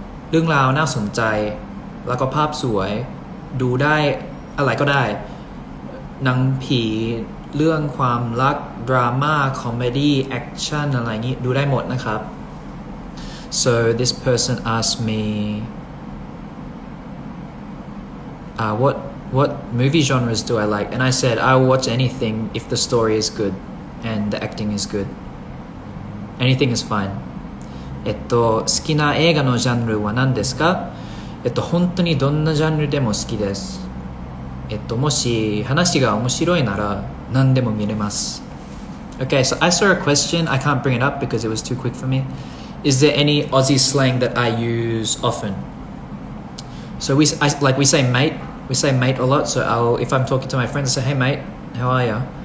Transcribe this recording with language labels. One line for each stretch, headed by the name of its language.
Thai: เรื่องราวน่าสนใจแล้วก็ภาพสวยดูได้อะไรก็ได้หนังผีเรื่องความรักดราม่าคอมเมดี้แอคชั่นอะไรงี้ดูได้หมดนะครับ
English: So this person asked me what movie genres do I like and I said I will watch anything if the story is good and the acting is good anything is fine
Japanese: 好きな映画のジャンルは何ですか本当にどんなジャンルでも好きですもし話が面白いなら何でも見れます。
English: Okay, so I saw a question. I can't bring it up because it was too quick for me. Is there any Aussie slang that I use often? So we say mate a lot. So if I'm talking to my friends, I say, hey mate, how are you?